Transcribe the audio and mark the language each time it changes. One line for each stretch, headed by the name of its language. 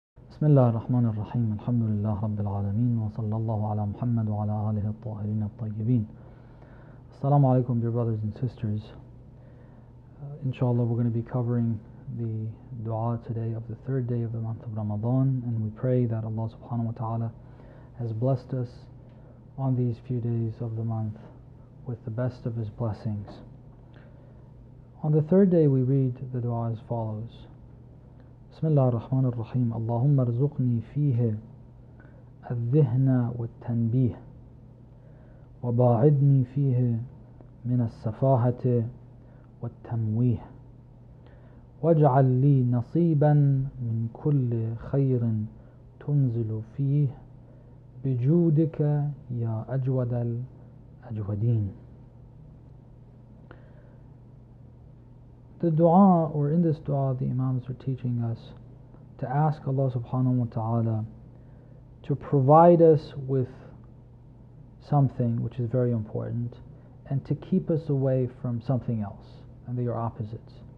Arabic: بسم الله الرحمن الرحيم، الحمد لله رب العالمين، وصلى الله على محمد وعلى آله الطاهرين الطيبين. السلام عليكم
English: dear brothers and sisters. Inshallah, we're going to be covering the dua today of the third day of the month of Ramadan, and we pray that Allah subhanahu wa ta'ala has blessed us on these few days of the month with the best of his blessings. On the third day we read the dua as follows.
Arabic: بسم الله الرحمن الرحيم اللهم ارزقني فيه الذهن والتنبيه وباعدني فيه من السفاهة والتمويه واجعل لي نصيبا من كل خير تنزل فيه بجودك يا أجود الأجودين.
English: The dua, or in this dua, the imams are teaching us to ask Allah subhanahu wa ta'ala to provide us with something which is very important, and to keep us away from something else, and they are opposites.